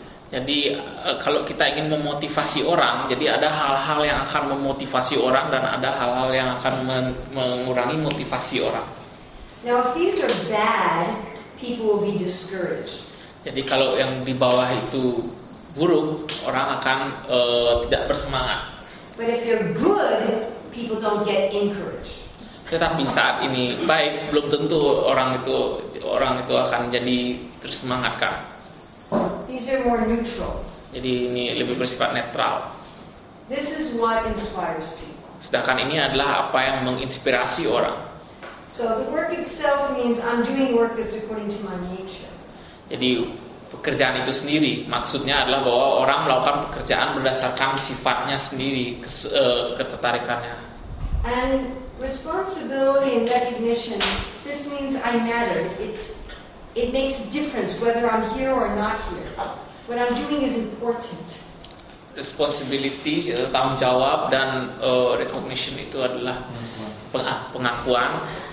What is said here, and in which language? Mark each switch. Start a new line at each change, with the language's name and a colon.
Indonesian: Jadi kalau kita ingin memotivasi orang, jadi ada hal-hal yang akan memotivasi orang dan ada hal-hal yang akan mengurangi motivasi orang.
English: Now if these are bad, people will be discouraged.
Indonesian: Jadi kalau yang di bawah itu buruk, orang akan tidak bersemangat.
English: But if they're good, people don't get encouraged.
Indonesian: Tetapi saat ini baik, belum tentu orang itu akan jadi tersemangatkan.
English: These are more neutral.
Indonesian: Jadi ini lebih bersifat netral.
English: Okay. This is what inspires people.
Indonesian: Sedangkan ini adalah apa yang menginspirasi orang.
English: So the work itself means I'm doing work that's according to my nature.
Indonesian: Jadi pekerjaan itu sendiri maksudnya adalah bahwa orang melakukan pekerjaan berdasarkan sifatnya sendiri, ketertarikannya.
English: And responsibility and recognition. This means I matter. It makes a difference whether I'm here or not here. What I'm doing is important.
Indonesian: Responsibility, tanggung jawab, dan recognition itu adalah pengakuan.